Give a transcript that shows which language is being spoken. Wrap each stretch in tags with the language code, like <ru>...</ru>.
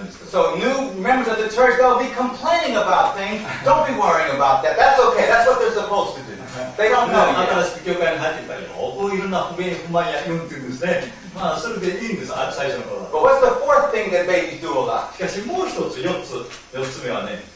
<en>So new members of the church, they'll be complaining about things. Don't be worrying about that. That's okay. That's what they're supposed to do. They don't know.</en> <ja>新しく教会に入ってきたけど、いろんな不明不満や言うんですね。まあ、それでいいんです、最初の頃は。</ja> <en>But what's the fourth thing that babies do a lot?</en> <ja>しかし、もう一つ、四つ目はね、</ja>